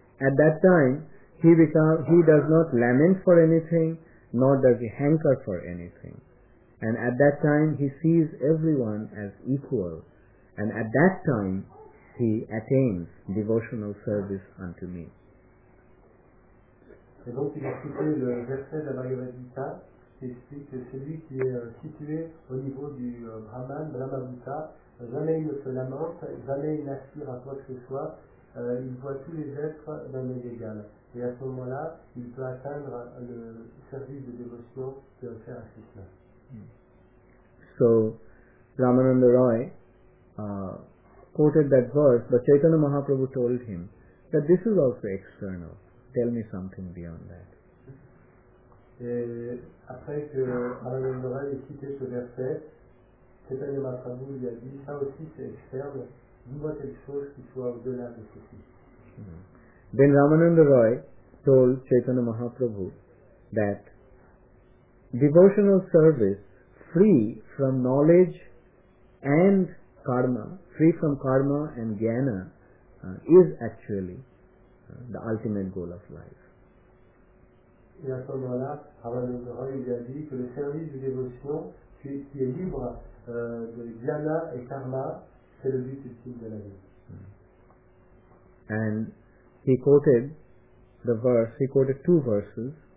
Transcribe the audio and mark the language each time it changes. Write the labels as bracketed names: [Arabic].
[English] At that time, he does not lament for anything, nor does he hanker for anything. And at that time, he sees everyone as equal. And at that time, he attains devotional service unto me. [French] Et donc, il a cité le verset de la Bhagavad Gita, qui explique que celui qui est situé au niveau du Brahman, Brahma Bhuta, jamais il ne se lamente, jamais il n'aspire à quoi que ce soit, il voit tous les êtres d'un œil égal. Et à ce moment-là, il peut atteindre le service de dévotion qu'il veut faire à Krishna. [English] So, Ramananda Roy quoted that verse, but Chaitanya Mahaprabhu told him that this is also external. Tell me something beyond that. [French] Et après que Ramananda Roy ait cité ce verset, Chaitanya Mahaprabhu lui a dit, ça aussi c'est externe, dis-moi quelque chose qui soit au-delà de ceci. [English] Then Ramananda Roy told Chaitanya Mahaprabhu that devotional service, free from knowledge and karma, free from karma and jnana, is actually the ultimate goal of life. [French] Et à ce moment-là, Ramananda Roy lui a dit que le service de dévotion, qui est libre de jnana et karma, c'est le but ultime de la vie. [English] And he quoted the verse, he quoted two verses.